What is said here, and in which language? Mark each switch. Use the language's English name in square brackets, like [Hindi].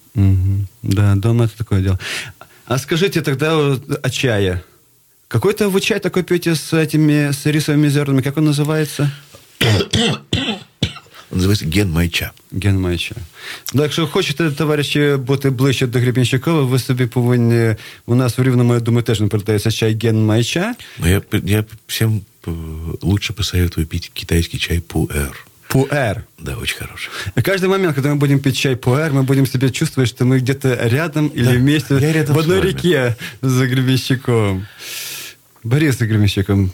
[Russian] Угу. Да, дом это такое дело. А скажите тогда о чае. Какой-то вы чай такой пьете с этими с рисовыми зернами? Как он называется? Он называется генмайча. Генмайча. Так что хочете, товарищи, быть ближе до Гребенщикова, вы себе повинні... [Ukrainian] У нас в Рівному, я думаю, теж не продається чай генмайча. [Russian] Я всем лучше посоветую пить китайский чай пуэр. Пуэр. Да, очень хороший. И каждый момент, когда мы будем пить чай пуэр, мы будем себя чувствовать, что мы где-то рядом или да, вместе рядом в одной реке за Гребенщиковым. Борис Гребенщиков.